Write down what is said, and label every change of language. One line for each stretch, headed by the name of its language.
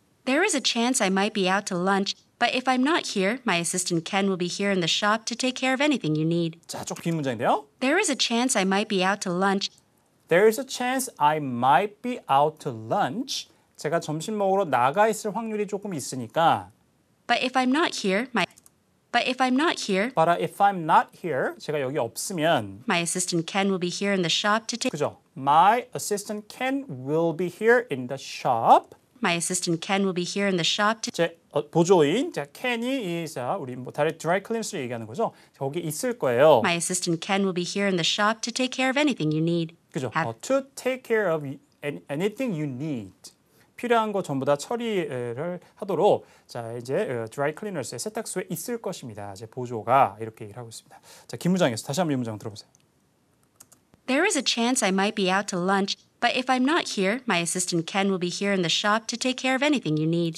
English: There is a chance I might be out to lunch. But if I'm not here, my assistant Ken will be here in the shop to take care of anything you need.
Korean: 자, 조금 긴 문장인데요.
English: There is a chance I might be out to lunch. There is a chance I might be out to lunch.
Korean: 제가 점심 먹으러 나가 있을 확률이 조금 있으니까.
English: But if I'm not here, my But if I'm not here. But if I'm not here,
Korean: 제가 여기 없으면
English: My assistant Ken will be here in the shop to take
Korean: 그죠?
English: My assistant Ken will be here in the shop. My assistant Ken will be here in the shop to
Korean: 제 보조인 자 켄이 이제 우리 뭐 다른 드라이 클린스를 얘기하는 거죠. 거기 있을 거예요.
English: My assistant Ken will be here in the shop to take care of anything you need.
Korean: 그죠?
English: To take care of anything you need.
Korean: 필요한 거 전부 다 처리를 하도록 자 이제 드라이 클리너스의 세탁소에 있을 것입니다. 제 보조가 이렇게 얘기를 하고 있습니다. 자, 김 부장에서 다시 한번 이 문장 들어보세요.
English: There is a chance I might be out to lunch. But if I'm not here, my assistant Ken will be here in the shop to take care of anything you need.